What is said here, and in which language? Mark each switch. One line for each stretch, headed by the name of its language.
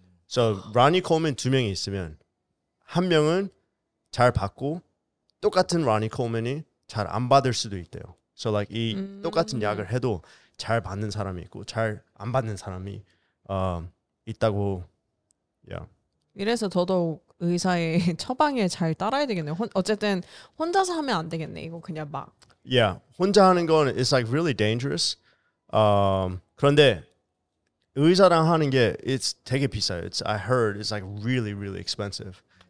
English: So
Korean: Ronnie Coleman 두 명이 있으면 한 명은 잘 받고 똑같은 Ronnie Coleman이 잘 안 받을 수도 있대요.
English: So like
Korean: 이 똑같은 약을 해도 잘 받는 사람이 있고 잘 안 받는 사람이 있다고.
English: Yeah.
Korean: 이래서 더더욱 의사의 처방에 잘 따라야 되겠네요. 어쨌든 혼자서 하면 안 되겠네. 이거 그냥 막.
English: Yeah,
Korean: 혼자 하는 건
English: it's like really dangerous.
Korean: 그런데 의사랑 하는 게
English: it's
Korean: 되게 비싸요.
English: It's I heard it's like really really expensive.